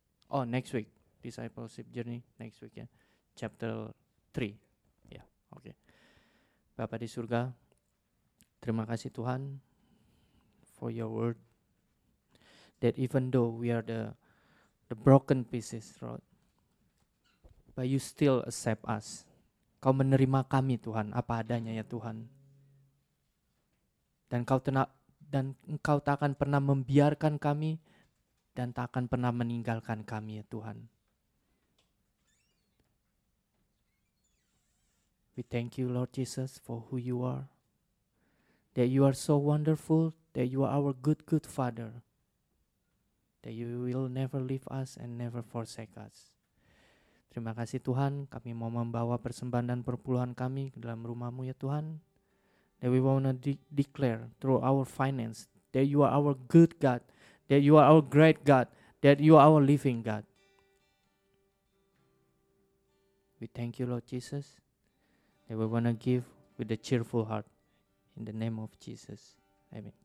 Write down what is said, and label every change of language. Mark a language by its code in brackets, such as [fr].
[en] Oh, next week. Discipleship journey next week, ya. Chapter 3. Yeah, okay. [id] Bapa di surga, terima kasih Tuhan [en] for your word. That even though we are the broken pieces, Lord, but you still accept us. [id] Kau menerima kami, Tuhan, apa adanya, ya Tuhan. Dan engkau tak akan pernah membiarkan kami dan tak akan pernah meninggalkan kami, ya Tuhan. [en] We thank you, Lord Jesus, for who you are. That you are so wonderful, that you are our good, good Father. That you will never leave us and never forsake us. [id] Terima kasih Tuhan, kami mau membawa persembahan dan perpuluhan kami ke dalam rumah-Mu, ya Tuhan. [en] That we want to declare through our finance that you are our good God, that you are our great God, that you are our living God. We thank you, Lord Jesus, that we want to give with a cheerful heart. In the name of Jesus, amen.